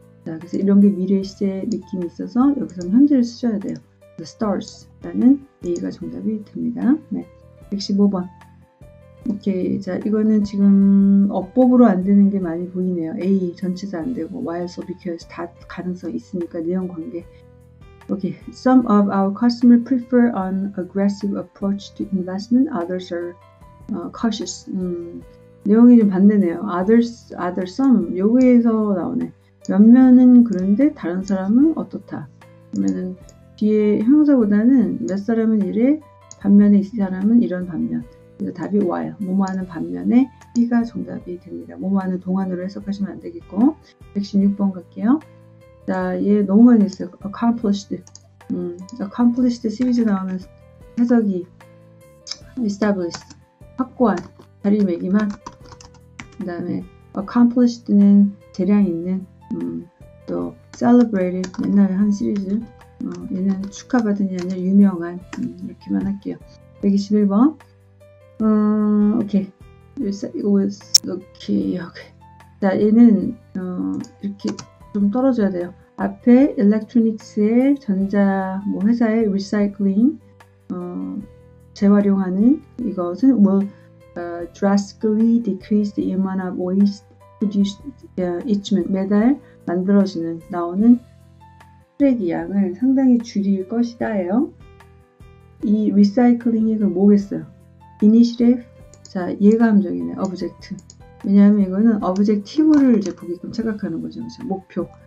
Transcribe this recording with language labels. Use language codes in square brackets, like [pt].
[ko] 자, 그래서 이런 게 미래 시제 느낌이 있어서 여기서는 현재를 쓰셔야 돼요. The stars라는 A가 정답이 됩니다. 네. 115번. 오케이. 자, 이거는 지금 어법으로 안 되는 게 많이 보이네요. A 전체도 안 되고, while서 because 다 가능성이 있으니까 내용 관계. 오케이. [en] Some of our customers prefer an aggressive approach to investment. Others are cautious. [ko] 내용이 좀 반대네요. [en] Others, some. [ko] 여기에서 나오네. 몇몇은 그런데 다른 사람은 어떻다. 그러면은 뒤에 형용사보다는 몇 사람은 이래, 반면에 이 사람은 이런 반면. 그래서 답이 와요. 뭐뭐하는 반면에 B가 정답이 됩니다. 뭐뭐하는 동안으로 해석하시면 안 되겠고. 116번 갈게요. 자, 얘 너무 많이 했어요. Accomplished. Accomplished 시리즈 나오면 해석이 established. 확고한. 자리매김한. 그 다음에 accomplished는 재량 있는. 또 celebrated 맨날 한 시리즈. 얘는 축하받은 게 아니라 유명한. 이렇게만 할게요. 121번. 오케이. [en] It was, 오케이. [ko] 자, 얘는 이렇게 좀 떨어져야 돼요. 앞에 electronics의 전자 뭐 회사의 recycling 재활용하는 이것은 [en] will drastically decrease the amount of waste produced each month. [ko] 매달 만들어지는 나오는 쓰레기 양을 상당히 줄일 것이다예요. 이 recycling이 그 뭐겠어요? Initiative. 자, 얘가 함정이네. Object. 왜냐하면 이거는 objective를 이제 보게끔 착각하는 거죠. 그렇죠? 목표.